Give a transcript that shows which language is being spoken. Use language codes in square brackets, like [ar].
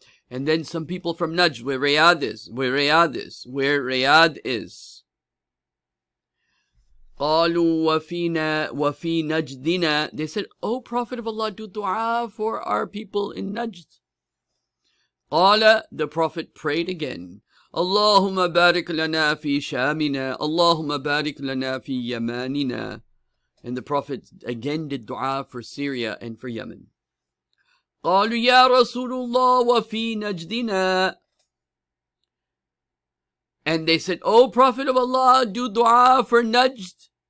[en] And then some people from Najd, where Riyadh is, where Riyadh is, where Riyadh is. [ar] قالوا وفينا وفي نجدنا, [en] they said, O Prophet of Allah, do dua for our people in Najd. [ar] قال, [en] the Prophet prayed again, [ar] اللهم بارك لنا في شامنا, اللهم بارك لنا في يماننا. [en] And the Prophet again did dua for Syria and for Yemen. [ar] قالوا يا رسول الله وفي نجدنا, [en] and they said, O Prophet of Allah, do dua for Najd.